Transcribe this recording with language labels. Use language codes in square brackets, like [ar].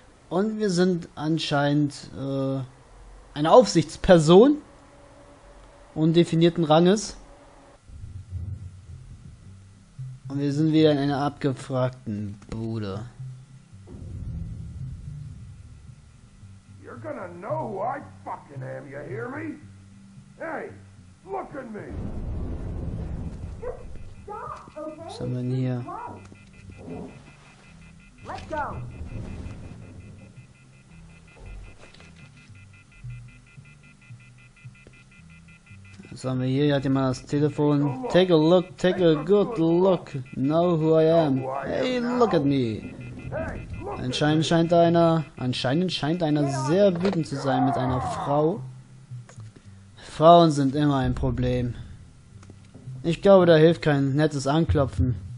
[de] Und wir sind anscheinend eine Aufsichtsperson. Undefinierten Ranges. Und wir sind wieder in einer abgefragten Bude. [en] You're gonna know who I fucking am, you hear me? Hey, look at me! Just stop, okay? Someone here. Let go! [de] So haben wir hier, hat jemand das Telefon. [en] Take a look, take a good look. Know who I am. Hey, look at me. [de] Anscheinend scheint einer sehr wütend zu sein mit einer Frau. Frauen sind immer ein Problem. Ich glaube, da hilft kein nettes Anklopfen.